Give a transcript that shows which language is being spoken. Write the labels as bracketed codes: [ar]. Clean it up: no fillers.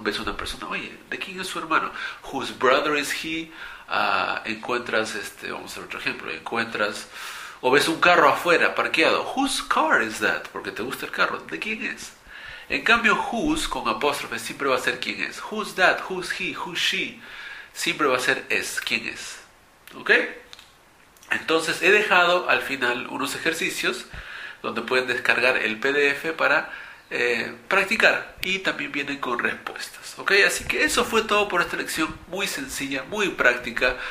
[es] Ves a una persona, oye, ¿de quién es su hermano? [en] Whose brother is he, [es] encuentras, vamos a hacer otro ejemplo, encuentras, o ves un carro afuera, parqueado. [en] Whose car is that, [es] porque te gusta el carro, ¿de quién es? En cambio, whose con apóstrofe siempre va a ser quién es. [en] Whose that, whose he, whose she. [es] Siempre va a ser es, ¿quién es? ¿Ok? Entonces he dejado al final unos ejercicios donde pueden descargar el PDF para practicar y también vienen con respuestas, ¿ok? Así que eso fue todo por esta lección muy sencilla, muy práctica.